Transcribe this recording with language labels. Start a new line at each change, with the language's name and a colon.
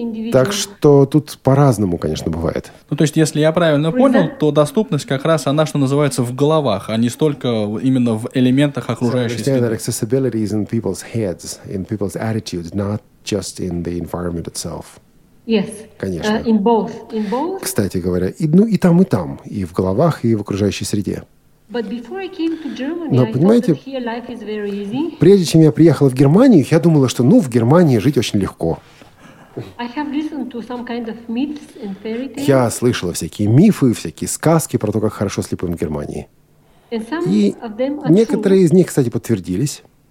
Russian: Так что тут по-разному, конечно, бывает. Ну, то есть, если я правильно понял, то доступность как раз, она, что называется, в головах, а не столько именно в элементах окружающей среды.
English: Accessibility is in people's heads, in people's attitude, not just in the environment itself. Yes.
Russian: Конечно.
English: In both.
Russian: Кстати говоря, и там, и в головах, и в окружающей среде.
English: But before I came to Germany,
Russian: Но, понимаете,
English: I thought that here life is very easy.
Russian: Прежде чем я приехала в Германию, я думала, что, ну, в Германии жить очень легко.
English: I have listened to some kind of myths and fairy tales.
Russian: Я слышала всякие мифы, всякие сказки про то, как хорошо слепым в Германии.
English: And some
Russian: И
English: of them are
Russian: некоторые
English: true.
Russian: Из них, кстати, подтвердились.